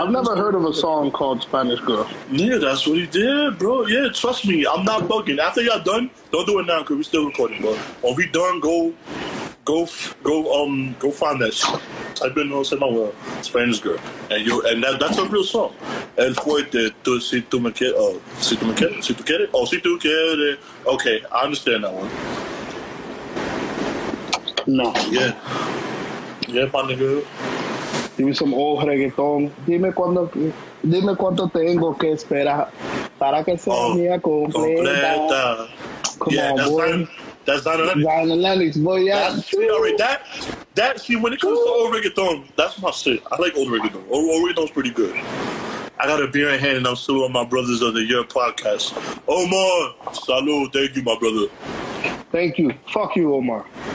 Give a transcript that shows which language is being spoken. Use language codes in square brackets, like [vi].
[en] I've never heard of a song called Spanish Girl. Yeah, that's what he did, bro. Yeah, trust me. I'm not bugging. After y'all done, don't do it now because we're still recording, bro. When we done, go find that shit. Type in what's in my world. Spanish Girl. And you and that's a real song. [es] El fuerte tu si tu me quieres. Oh, si tu me quieres. Si tu quieres. Oh, si tu quieres. [en] Okay, I understand that one. No. Yeah, my nigga. Give me some old reggaeton. [es] Dime cuando tengo que esperar para que sea mía completa. [en] Come yeah, on, that's boy. That's Diana Lennox. Diana Lennox, boy, yeah. See, when it comes to old reggaeton, that's my shit. I like old reggaeton. Old reggaeton's pretty good. I got a beer in hand and I'm still on my brothers of the year podcast. Omar, salud. Thank you, my brother. Thank you. Fuck you, Omar.